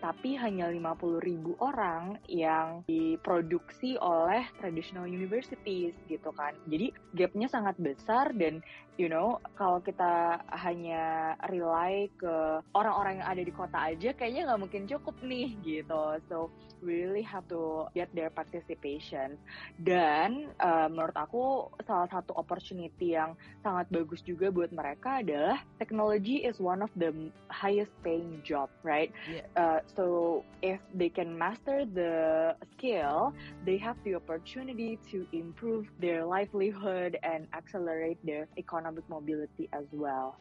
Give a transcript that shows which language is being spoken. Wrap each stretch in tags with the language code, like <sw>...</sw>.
<id>Tapi hanya 50 ribu orang yang diproduksi oleh</id> <en>traditional universities</en> <id>gitu kan. Jadi gapnya sangat besar, dan</id> <en>you know,</en> <id>kalau kita hanya rely ke orang-orang yang ada di kota aja, kayaknya nggak mungkin cukup nih gitu.</id> <en>So we really have to get their participation.</en> <id>Dan menurut aku salah satu opportunity yang sangat bagus juga buat mereka adalah</id> <en>technology is one of the highest paying job, right? Yeah. So if they can master the skill, they have the opportunity to improve their livelihood and accelerate their economic mobility as well.</en>